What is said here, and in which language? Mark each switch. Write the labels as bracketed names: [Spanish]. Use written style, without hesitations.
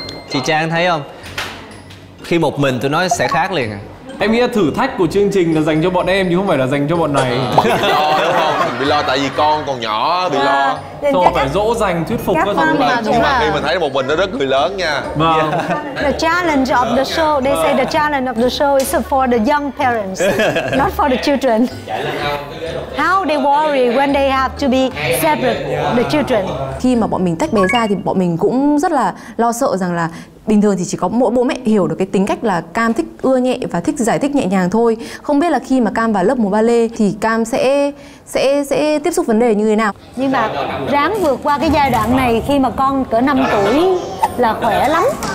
[Vietnamese] Chị Trang thấy không? Khi một mình tôi nói sẽ khác liền. Em nghĩ là thử thách của chương trình là dành cho bọn em chứ không phải là dành cho bọn này. Đừng bị lo, tại vì con còn nhỏ bị lo. Thôi phải dỗ dành thuyết phục các con mà. Nhưng mà khi mình thấy một mình nó rất người lớn nha. Vâng. [English] The challenge of the show, they say the challenge of the show is for the young parents, not for the children. How they worry when they have to be separate the children. [Vietnamese] Khi mà bọn mình tách bé ra thì bọn mình cũng rất là lo sợ rằng là bình thường thì chỉ có mỗi bố mẹ hiểu được cái tính cách là Cam thích ưa nhẹ và thích giải thích nhẹ nhàng thôi. Không biết là khi mà Cam vào lớp múa ba lê thì Cam sẽ tiếp xúc vấn đề như thế nào. Nhưng mà ráng vượt qua cái giai đoạn này khi mà con cỡ 5 tuổi là khỏe lắm.